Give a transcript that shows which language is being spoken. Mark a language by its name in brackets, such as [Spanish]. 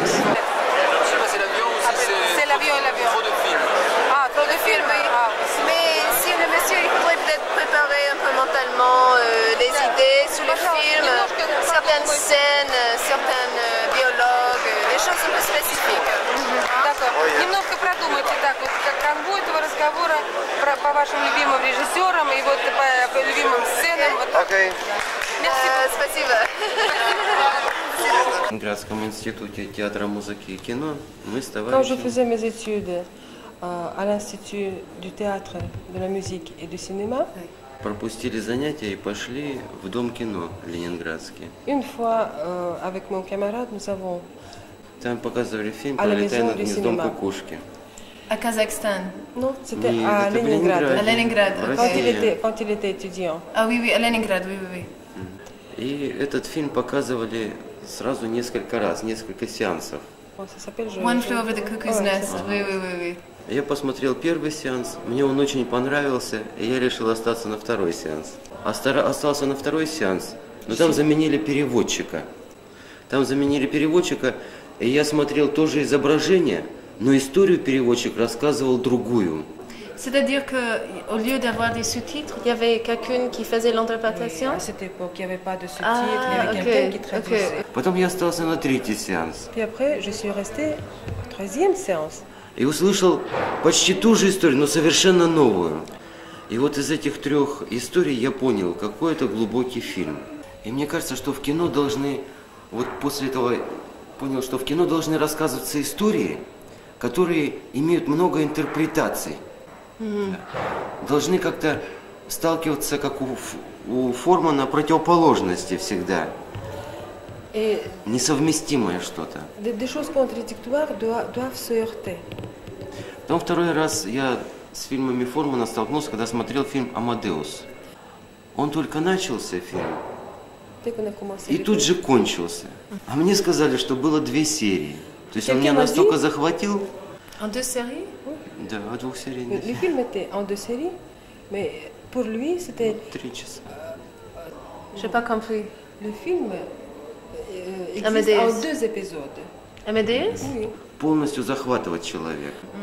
[French] Je sais pas, c'est l'avion ou c'est l'avion. Trop de films. Ah, trop de films, oui. Mais si le monsieur, il pourrait peut-être préparer un peu mentalement les idées sur les films, certaines scènes, certains dialogues, des choses un peu spécifiques. [Russian] Немножко продумайте так, вот как канву этого разговора по вашим любимым режиссерам и вот по любимым сценам. Окей. Спасибо. В Ленинградском институте театра, музыки и кино мы с товарищем... Когда я делал мои [French] études à l'Institut du théâtre, de la musique et du cinéma, [Russian] пропустили занятия и пошли в Дом кино ленинградский. [French] Une fois avec mon camarade, nous avons... [Russian] Там показывали фильм «Пролетая над гнездом кукушки». А Казахстан? Ну, это в Ленинграде. А Ленинград, когда он был студент. А, да, а Ленинград, да. И этот фильм показывали сразу несколько раз, несколько сеансов. [English] One flew over the cuckoo's nest. [Russian] Да. Я посмотрел первый сеанс, мне он очень понравился, и я решил остаться на второй сеанс. Остался на второй сеанс, но там заменили переводчика. Там заменили переводчика... И я смотрел тоже изображение, но историю переводчик рассказывал другую. [French] C'est-à-dire que au lieu d'avoir des sous-titres, il y avait quelqu'un qui faisait l'interprétation. À cette époque, il y avait pas de sous-titres, il y avait quelqu'un qui traduisait. [Russian] Потом я остался на третьей сеанс. [French] Puis après, je suis resté au troisième séance. [Russian] И услышал почти ту же историю, но совершенно новую. И вот из этих трех историй я понял, какой это глубокий фильм. И мне кажется, что в кино должны вот после этого понял, что в кино должны рассказываться истории, которые имеют много интерпретаций. Должны как-то сталкиваться, как у Формана, противоположности всегда. Несовместимое что-то. [French] Des choses contradictoires doivent se heurter. [Russian] Потом второй раз я с фильмами Формана столкнулся, когда смотрел фильм «Амадеус». Он только начался, фильм. И тут же кончился. А мне сказали, что было две серии. То есть он меня настолько захватил. [French] En deux séries? [Russian] Да, в двух сериях. [French] Le film était en deux séries, mais pour lui c'était. [Russian] Три часа. [French] J'ai pas compris. Le film existe en deux épisodes. Amadeus? [Russian] Полностью захватывать человека.